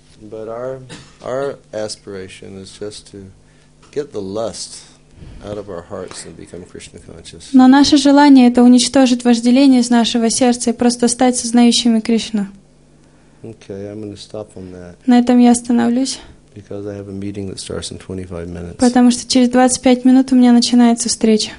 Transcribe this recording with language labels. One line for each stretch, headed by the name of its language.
English: But our aspiration is just to get the lust out of our hearts and become Krishna conscious.
Russian: Но наше желание это уничтожить вожделение из нашего сердца и просто стать сознающими Кришну.
English: Okay, I'm going to stop on that.
Russian: На этом я остановлюсь.
English: Because I have a meeting that starts in 25 minutes.
Russian: Потому что через 25 минут у меня начинается встреча.